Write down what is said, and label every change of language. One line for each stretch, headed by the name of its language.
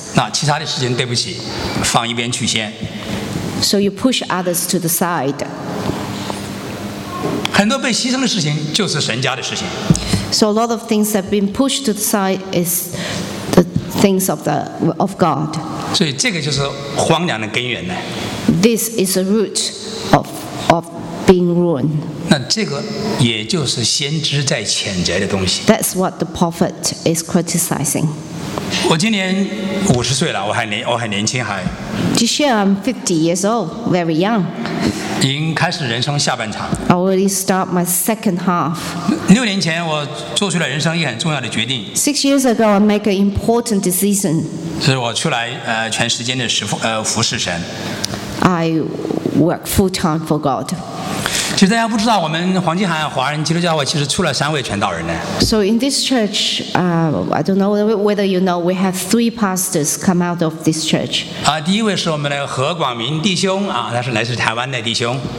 Chinese: 那其他的时间对不起，放一边去先。
English: So you push others to the side.
Chinese: 很多被牺牲的事情就是神家的事情。
English: So a lot of things have been pushed to the side is the things of God.
Chinese: 所以这个就是荒凉的根源呢。
English: This is a root of being ruined.
Chinese: 那这个也就是先知在谴责的东西。
English: That's what the prophet is criticizing.
Chinese: 我今年50岁了，我还年轻，还。
English: This year I'm 50 years old, very young.
Chinese: 已经开始人生下半场。
English: I already start my second half.
Chinese: 6年前我做出了人生一很重要的决定。
English: 6 years ago, I make an important decision.
Chinese: 是我出来全时间的服侍神。
English: I work full time for God.
Chinese: 其实大家不知道，我们黄金海岸华人基督教会其实出了3位传道人呢。
English: So in this church, I don't know whether you know, we have 3 pastors come out of this church.
Chinese: 第一位是我们的何广明弟兄他是来自台湾的弟兄。